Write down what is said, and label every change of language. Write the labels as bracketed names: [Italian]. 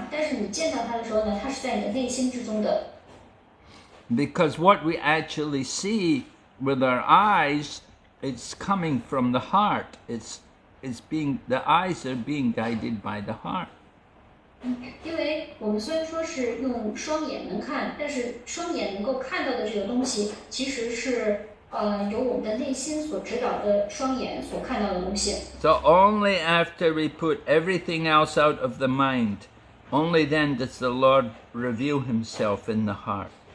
[Chinese] 所以Pipalaya呢,在这儿和他争论的这个点呢,就是你的确能够双眼见到他,但是你见到他的时候呢,他是在你的内心之中的。 [English] Because what we actually see with our eyes, it's coming from the heart. The eyes are being guided by the heart. [Chinese] 因为我们虽然说是用双眼能看,但是双眼能够看到的这个东西其实是 [English] So only after we put everything else out of the mind, only then does the Lord reveal himself in the heart.